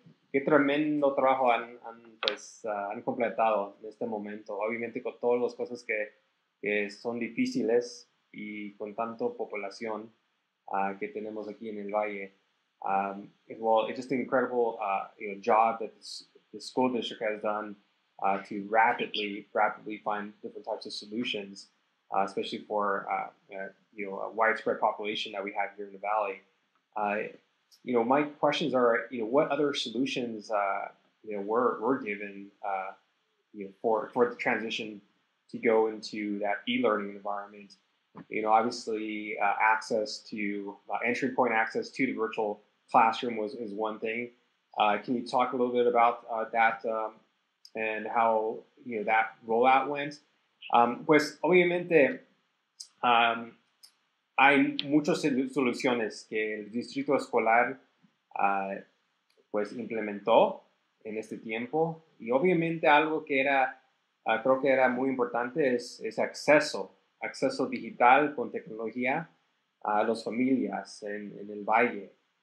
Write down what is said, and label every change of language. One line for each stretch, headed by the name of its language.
Spanish: Qué tremendo trabajo han completado en este momento. Obviamente con todas las cosas que son difíciles y con tanto población que tenemos aquí en el valle.
English: It's just an incredible job that the school district has done to rapidly find different types of solutions, especially for a widespread population that we have here in the valley. You know, my questions are, you know, what other solutions, were given, for the transition to go into that e-learning environment? You know, obviously, access to, entry point access to the virtual classroom is one thing. Can you talk a little bit about that and how, you know, that rollout went?
Spanish: Pues, obviamente, hay muchas soluciones que el distrito escolar pues implementó en este tiempo, y obviamente algo que era, creo que era muy importante es acceso digital con tecnología a las familias en el valle.